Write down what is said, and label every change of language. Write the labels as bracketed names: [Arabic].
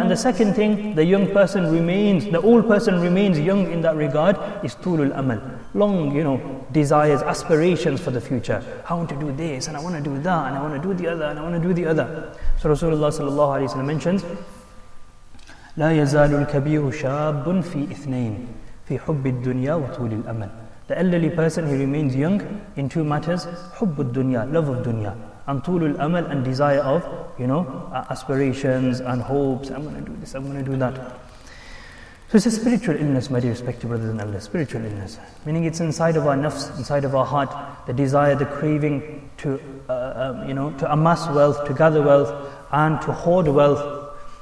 [English] And the second thing, the old person remains young in that regard, is طُولُ الْأَمَلِ. Long, desires, aspirations for the future. I want to do this, and I want to do that, and I want to do the other, and I want to do the other. So Rasulullah sallallahu alayhi wa sallam mentions, [Arabic] لَا يَزَالُ الْكَبِيرُ شَابٌ فِي إِثْنَيْنِ فِي حُبِّ الدُّنْيَا وَطُولِ الْأَمَلِ. [English] The elderly person, he remains young in two matters, [Arabic] حُبُّ الدُّنْيَا, [English] love of dunya. And [Arabic] طول الأمل, [English] and desire of, aspirations and hopes. I'm going to do this, I'm going to do that. So it's a spiritual illness, my dear respected brothers and elders, spiritual illness. Meaning it's inside of our nafs, inside of our heart, the desire, the craving to amass wealth, to gather wealth, and to hoard wealth.